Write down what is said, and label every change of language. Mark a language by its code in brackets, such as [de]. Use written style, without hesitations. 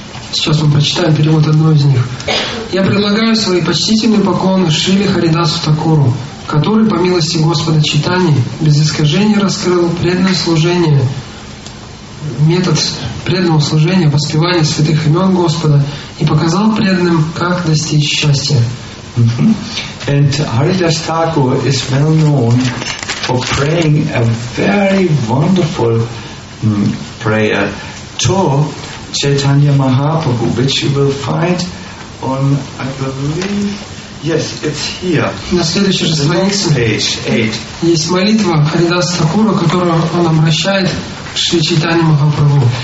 [ru] Сейчас мы прочитаем перевод одной из них. Я предлагаю свои почтительные поклоны Шриле Харидасу Такуру, который, по милости Господа Чайтаньи, без искажений раскрыл преданное служение, метод преданного служения, воспевания святых имен Господа и показал преданным, как достичь счастья. [en] And Haridas Thakur is well known for praying a very wonderful prayer to Chaitanya Mahaprabhu, which you will find on, I believe, yes, it's here. [ru] На следующей же странице [en] page 8. [ru] Есть молитва Харидаса Такура, которую он обращает к Шри Чайтанья Махапрабху.